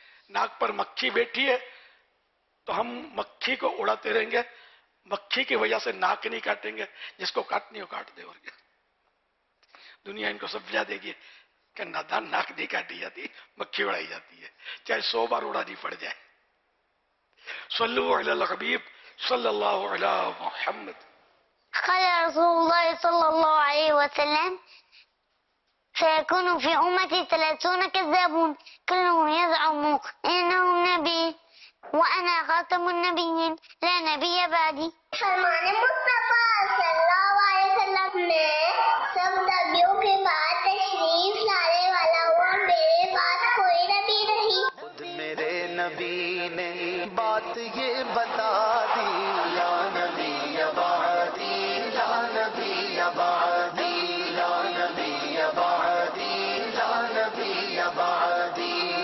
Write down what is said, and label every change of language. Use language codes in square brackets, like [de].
[ur] ناک پر مکھی بیٹھی ہے تو ہم مکھی کو اڑاتے رہیں گے, مکھی کی وجہ سے ناک نہیں کاٹیں گے, جس کو کاٹنی ہو کاٹ دے, اور دنیا ان کو سمجھا دے گی کہ نادان ناک نہیں کاٹی جاتی مکھی اڑائی جاتی ہے, چاہے 100 بار اڑانی پڑ جائے. [ar] صلوا علی الحبیب صلی اللہ علیہ محمد. قال رسول الله صلى الله عليه وسلم سيكون في أمتي 30 كذابون كلهم يزعموا إنه نبي وأنا خاتم النبيين لا نبي بعدي. [ur] فرمان مصطفى صلى الله عليه وسلم نے سب نبیوں کے بعد تشریف لانے والا ہوا میرے پاس کوئی نبی نہیں. خود میرے نبی نے بات یہ بتا دی یا نبی یا بعدی یا نبی یا بعدی یا نبی یا بعدی یا نبی یا بعدی.